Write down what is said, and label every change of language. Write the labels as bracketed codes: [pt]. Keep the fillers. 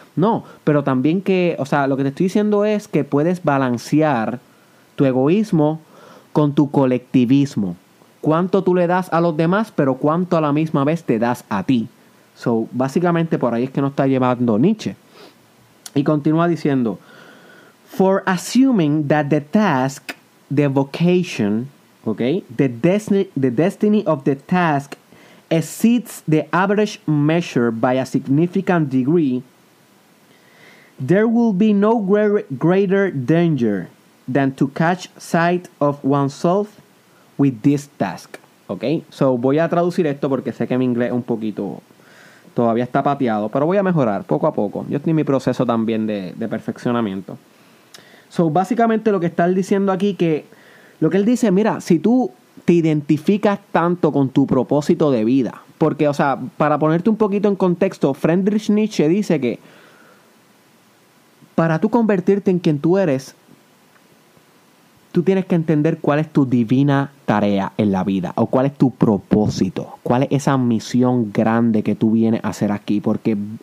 [es] No, pero también que, o sea, lo que te estoy diciendo es que puedes balancear tu egoísmo con tu colectivismo. Cuánto tú le das a los demás, pero cuánto a la misma vez te das a ti. So, básicamente por ahí es que nos está llevando Nietzsche. [en] Y continúa diciendo, for assuming that the task, the vocation, okay, the destiny, the destiny of the task exceeds the average measure by a significant degree, there will be no gre- greater danger than to catch sight of oneself with this task. [es] Ok, so voy a traducir esto porque sé que mi inglés es un poquito todavía está pateado, pero voy a mejorar poco a poco. Yo estoy en mi proceso también de, de perfeccionamiento. So, básicamente lo que está él diciendo aquí que lo que él dice, mira, si tú te identificas tanto con tu propósito de vida, porque, o sea, para ponerte un poquito en contexto, Friedrich Nietzsche dice que para tú convertirte en quien tú eres, tú tienes que entender cuál es tu divina tarea en la vida o cuál es tu propósito, cuál es esa misión grande que tú vienes a hacer aquí, porque